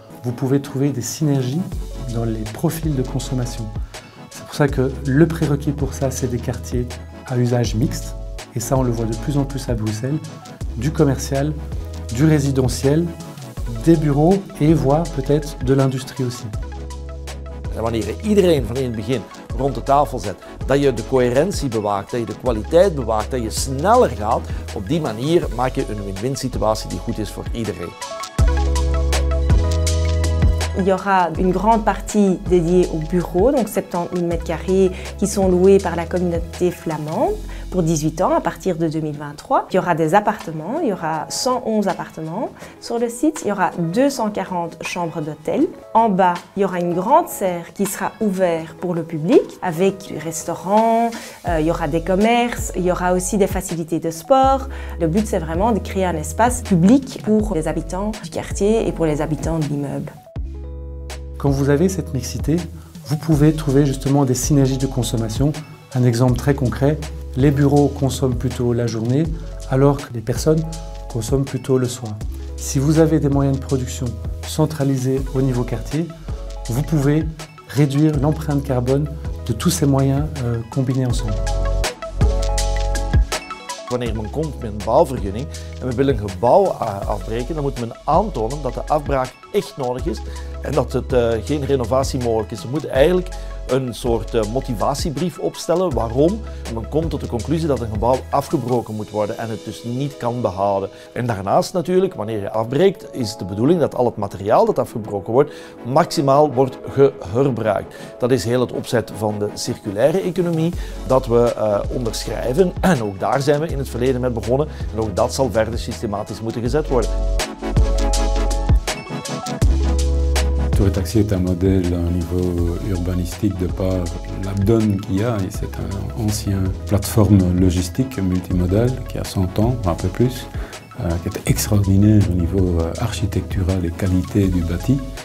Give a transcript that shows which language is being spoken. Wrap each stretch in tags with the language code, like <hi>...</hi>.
<fr>Vous pouvez trouver des synergies dans les profils de consommation. C'est pour ça que le prérequis pour ça, c'est des quartiers à usage mixte. Et ça, on le voit de plus en plus à Bruxelles, du commercial, du résidentiel, des bureaux et voire peut-être de l'industrie aussi.</fr> <nl>Wanneer je iedereen van in het begin rond de tafel zet, dat je de coherentie bewaakt, dat je de kwaliteit bewaakt, dat je sneller gaat, op die manier maak je een win-win situatie die goed is voor iedereen.</nl> <fr>Il y aura une grande partie dédiée aux bureaux, donc 70 000 m² qui sont loués par la communauté flamande pour 18 ans à partir de 2023. Il y aura des appartements, il y aura 111 appartements sur le site, il y aura 240 chambres d'hôtel. En bas, il y aura une grande serre qui sera ouverte pour le public avec du restaurant, il y aura des commerces, il y aura aussi des facilités de sport. Le but, c'est vraiment de créer un espace public pour les habitants du quartier et pour les habitants de l'immeuble. Quand vous avez cette mixité, vous pouvez trouver justement des synergies de consommation. Un exemple très concret, les bureaux consomment plutôt la journée, alors que les personnes consomment plutôt le soir. Si vous avez des moyens de production centralisés au niveau quartier, vous pouvez réduire l'empreinte carbone de tous ces moyens combinés ensemble.</fr> <nl>Wanneer men komt met een bouwvergunning en we willen een gebouw afbreken, dan moet men aantonen dat de afbraak echt nodig is en dat het geen renovatie mogelijk is. Je moet eigenlijk een soort motivatiebrief opstellen waarom. En men komt tot de conclusie dat een gebouw afgebroken moet worden en het dus niet kan behouden. En daarnaast natuurlijk, wanneer je afbreekt, is de bedoeling dat al het materiaal dat afgebroken wordt, maximaal wordt geherbruikt. Dat is heel het opzet van de circulaire economie dat we onderschrijven. En ook daar zijn we in het verleden mee begonnen. En ook dat zal verder systematisch moeten gezet worden.</nl> <fr>Le taxi est un modèle au niveau urbanistique de par la donne qu'il y a. Et c'est une ancienne plateforme logistique multimodale qui a 100 ans, un peu plus, qui est extraordinaire au niveau architectural et qualité du bâti.</fr>